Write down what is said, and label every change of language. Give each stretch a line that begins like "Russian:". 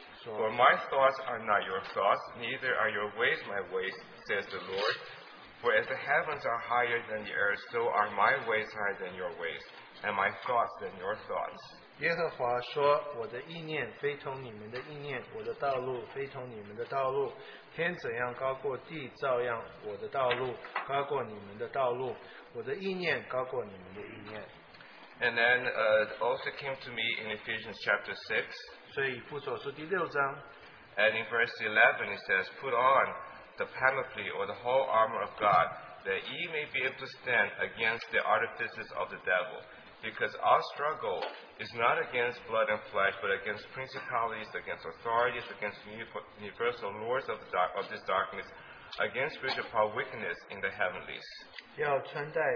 English: For my thoughts are not your thoughts, neither are your ways my ways, says the Lord. For as the heavens are higher than the earth, so are my ways higher than your ways, and my thoughts than your thoughts.
Chinese: 耶和华说，我的意念非同你们的意念，我的道路非同你们的道路。天怎样高过地，照样我的道路高过你们的道路。我的意念高过你们的意念。
English: And then also came to me in Ephesians chapter 6.
Chinese: 所以以弗所书第六章,
English: and in verse 11 it says, put on the panoply or the whole armor of God, that ye may be able to stand against the artifices of the devil. Because our struggle is not against blood and flesh, but against principalities, against authorities, against universal lords of, the dark, of this darkness, against spiritual power wickedness in the heavenlies.